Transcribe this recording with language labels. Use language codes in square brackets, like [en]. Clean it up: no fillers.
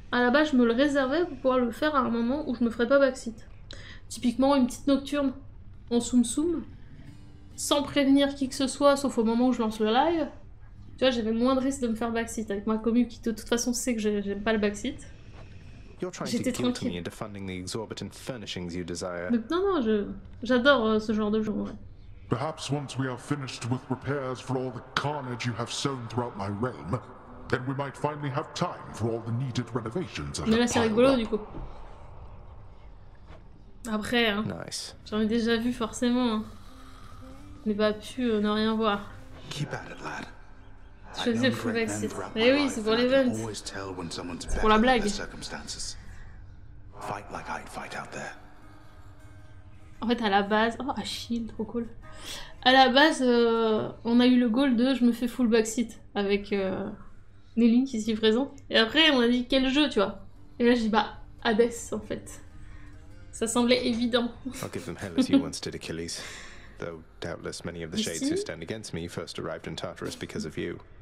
[fr] À la base, je me le réservais pour pouvoir le faire à un moment où je me ferais pas backseat. Typiquement, une petite nocturne en soum-soum, sans prévenir qui que ce soit, sauf au moment où je lance le live. Tu vois, j'avais moins de risque de me faire backseat avec ma commu qui de toute façon sait que j'aime pas le backseat. [en] You're trying [fr] J'étais [en] to guilt me into funding the exorbitant furnishings you desire. [fr] Non, non, j'adore ce genre de jeu, ouais. [en] Perhaps once we are finished with repairs for all the carnage you have sown throughout my realm, then we might finally have time for all the needed renovations. [fr] Mais là, c'est rigolo, du coup. Après, hein, [en] nice. [fr] J'en ai déjà vu forcément. N'ai pas pu ne rien voir. [en] Keep at it, lad. [fr] Choisis le full exit. Eh oui, c'est pour l'event. C'est pour la blague. [en] Fight like I'd fight out there. [fr] En fait, à la base, oh, Achille, trop cool. À la base, on a eu le goal de je me fais full backseat avec Nelly qui s'y présente. Et après, on a dit quel jeu, tu vois. Et là, j'ai dit bah, Hades, en fait. Ça semblait évident. [en] I'll give them hell as you once did Achilles. Though doubtless many of the shades who stand against me first arrived in Tartarus because of you.